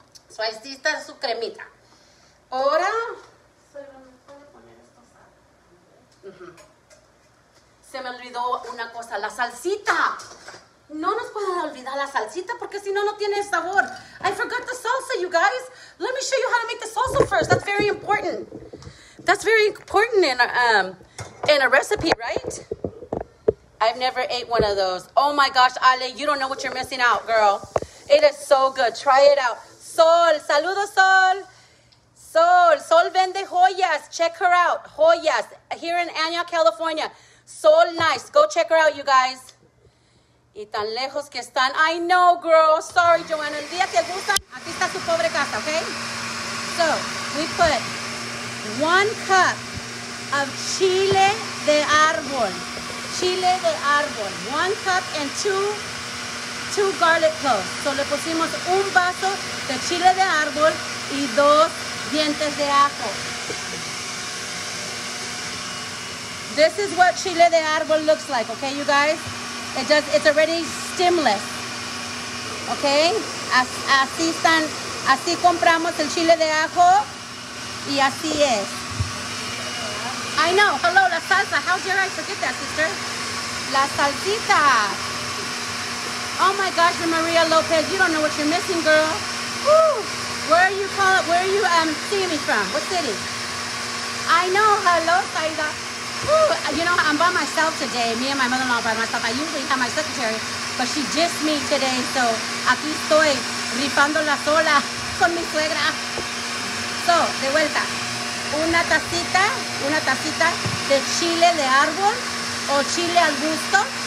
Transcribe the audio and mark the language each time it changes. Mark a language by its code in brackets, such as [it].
[es] So ahí está su cremita. Ahora, se me olvidó una cosa, la salsita. No nos pueden olvidar la salsita porque si no, no tiene sabor. [en] I forgot the salsa, you guys. Let me show you how to make the salsa first. That's very important. That's very important in a recipe, right? I've never ate one of those. Oh my gosh, Ale, you don't know what you're missing out, girl. It is so good. Try it out. Sol, saludos, Sol. Sol, [es] Sol vende joyas. [en] Check her out. Joyas here in Anaheim, California. Sol Nice. Go check her out, you guys. [es] Y tan lejos que están. [en] I know, girl. Sorry, Joanna. [es] El día que gustan, aquí está su pobre casa, okay? [en] So, we put 1 cup of chile de árbol. Chile de árbol. 1 cup and 2 garlic cloves. [es] So, le pusimos 1 vaso de chile de árbol y 2 dientes de ajo. [en] This is what chile de árbol looks like, okay, you guys? It does, it's already stemless, okay? [es] Así están, así compramos el chile de ajo, y así es. [en] I know, hello, la salsa, how dare I forget that, sister? La salsita. Oh my gosh, Maria Lopez, you don't know what you're missing, girl. Woo! Where are you seeing me from? What city? I know, hello, Saida. You know, I'm by myself today. Me and my mother-in-law by myself. I usually have my secretary, but she dissed me today. [es] So, aquí estoy, rifando la sola con mi suegra. So, de vuelta. Una tacita de chile de árbol o chile al gusto.